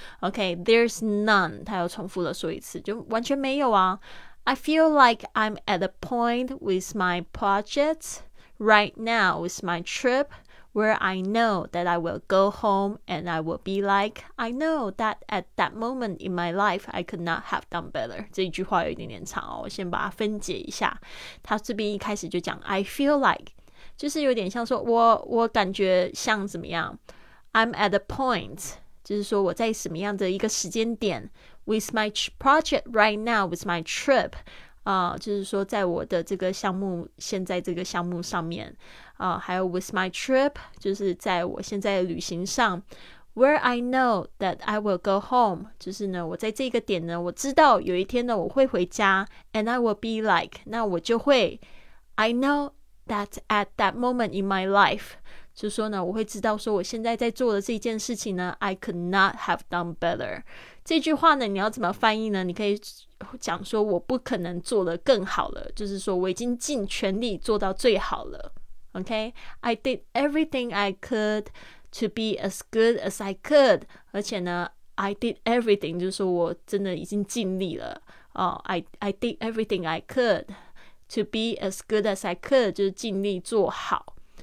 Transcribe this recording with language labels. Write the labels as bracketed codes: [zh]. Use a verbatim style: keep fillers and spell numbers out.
[en] OK, there's none [zh] 他又重复了说一次，就完全没有啊。 [en] I feel like I'm at a point with my projects right now with my trip where I know that I will go home and I will be like, I know that at that moment in my life, I could not have done better. [zh] 这一句话有一点点长哦，我先把它分解一下。他这边一开始就讲 [en] I feel like， [zh] 就是有点像说我我感觉像怎么样 [en] I'm at a point， [zh] 就是说我在什么样的一个时间点 [en] with my project right now, with my trip， [zh] 呃、就是说在我的这个项目，现在这个项目上面、呃、还有 [en] with my trip [zh] 就是在我现在的旅行上 [en] where I know that I will go home， [zh] 就是呢我在这个点呢我知道有一天呢我会回家 [en] and I will be like， [zh] 那我就会 [en] I know that at that moment in my life， [zh] 就是说呢我会知道说我现在在做的这件事情呢 [en] I could not have done better。 [zh] 这句话呢你要怎么翻译呢？你可以讲说我不可能做得更好了，就是说我已经尽全力做到最好了。 [en] OK, I did everything I could to be as good as I could， [zh] 而且呢 [en] I did everything [zh] 就是说我真的已经尽力了、 [en] uh, I, I did everything I could to be as good as I could [zh] 就是尽力做好。